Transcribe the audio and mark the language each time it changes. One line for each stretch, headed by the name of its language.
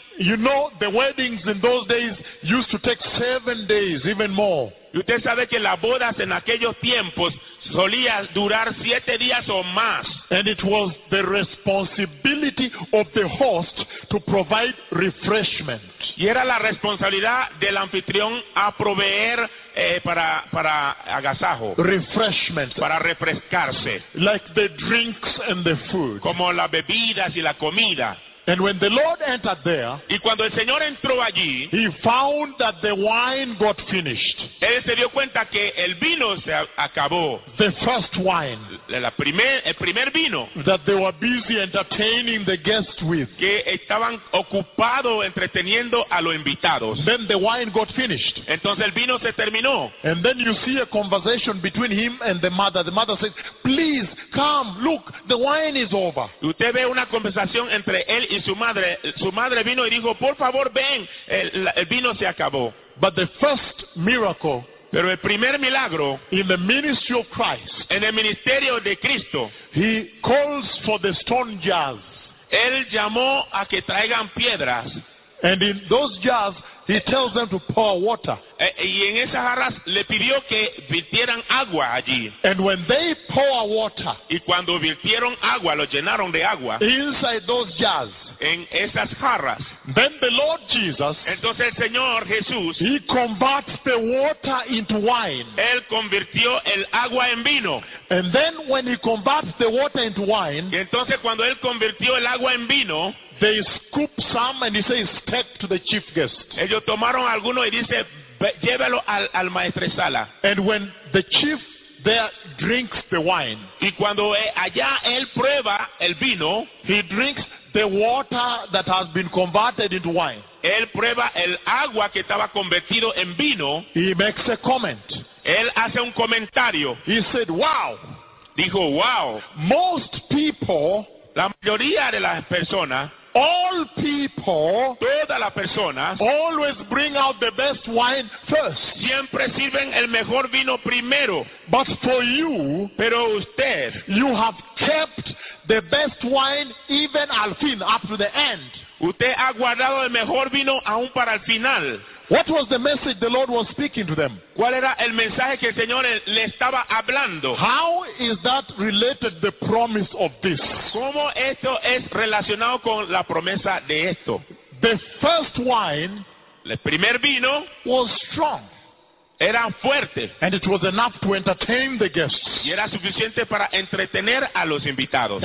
English: you know the weddings in those days used to take 7 days, even more.
Spanish: Y usted sabe que las bodas en aquellos tiempos solía durar 7 días o más.
English: And it was the responsibility of the host to provide refreshment.
Spanish: Y era la responsabilidad del anfitrión a proveer para agasajo.
English: Refreshment.
Spanish: Para refrescarse.
English: Like the drinks and the food.
Spanish: Como las bebidas y la comida.
English: And when the Lord entered there,
Spanish: y cuando el Señor entró allí,
English: he found that the wine got finished.
Spanish: Él se dio cuenta que el vino se acabó.
English: The first wine.
Spanish: El primer vino.
English: That they were busy entertaining the guests with.
Spanish: Que estaban ocupados entreteniendo a los invitados.
English: Then the wine got finished.
Spanish: Entonces el vino se terminó.
English: And then you see a conversation between him and the mother. The mother says, "Please come, look, the wine is over."
Spanish: Y usted ve una conversación entre él y su madre vino y dijo, por favor ven, el vino se acabó.
English: But the first miracle,
Spanish: pero el primer milagro,
English: in the ministry of Christ,
Spanish: en el ministerio de Cristo,
English: he calls for the stone jars.
Spanish: Él llamó a que traigan piedras.
English: And in those jars, he tells them to pour water.
Spanish: Y en esas jarras le pidió que vertieran agua allí.
English: And when they pour water,
Spanish: y cuando vertieron agua, lo llenaron de agua.
English: Inside those jars,
Spanish: en esas jarras.
English: Then the Lord Jesus,
Spanish: entonces el Señor Jesús,
English: he converts the water into wine.
Spanish: Él convirtió el agua en vino.
English: And then when he converts the water into wine,
Spanish: y entonces cuando él convirtió el agua en vino,
English: they scoop some and he says, "Take to the chief guest."
Spanish: Ellos tomaron alguno y dice, llévelo al maestresala.
English: And when the chief there drinks the wine,
Spanish: y cuando allá él prueba el vino,
English: he drinks the water that has been converted into wine.
Spanish: Él prueba el agua que estaba convertido en vino.
English: He makes a comment.
Spanish: Él hace un comentario.
English: He said, "Wow."
Spanish: Dijo, "Wow."
English: Most people,
Spanish: la mayoría de las personas,
English: all people,
Spanish: toda la persona,
English: always bring out the best wine first.
Spanish: Siempre sirven el mejor vino primero.
English: But for you,
Spanish: pero usted,
English: you have kept the best wine even
Spanish: al fin,
English: up to the end.
Spanish: Usted ha guardado el mejor vino aún para el final.
English: What was the message the Lord was speaking to them?
Spanish: ¿Cuál era el mensaje que el Señor le estaba hablando?
English: How is that related to the promise of this?
Spanish: ¿Cómo esto es relacionado con la promesa de esto?
English: The first wine,
Spanish: el primer vino,
English: was strong.
Spanish: Era fuerte.
English: And it was enough to entertain the guests.
Spanish: Y era suficiente para entretener a los invitados.